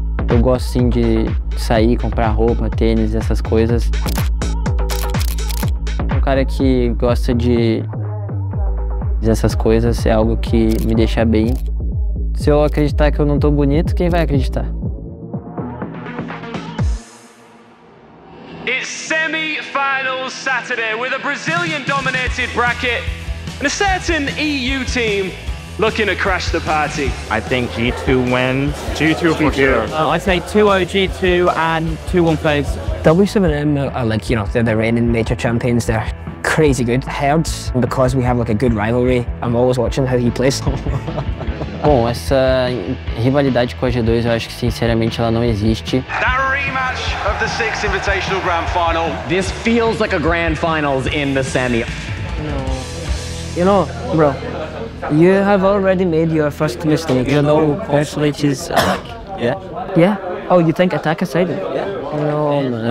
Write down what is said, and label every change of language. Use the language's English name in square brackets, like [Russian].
[Portuguese] Eu gosto, sim, de sair, comprar roupa, tênis, essas coisas. Um cara que gosta de... Essas coisas é algo que me deixa bem. Se eu acreditar que eu não tô bonito, quem vai acreditar? [English] It's semi-final Saturday with a Brazilian dominated bracket and a certain EU team looking to crash the party. I think G2 wins. G2 for sure. I say 2-0 G2 and 2-1 FaZe. W7M are like, you know, they're the reigning major champions there. Crazy good. Herds, because we have like a good rivalry, I'm always watching how he plays. [Portuguese] Bom, essa rivalidade com a G2, eu acho que sinceramente ela não existe. [English] That rematch of the Six Invitational Grand Final. This feels like a Grand Finals in the semi. No. You know, bro, you have already made your first mistake. You know, Perslitch is like, yeah? Yeah? Oh, you think attack is sided? Yeah. No, man.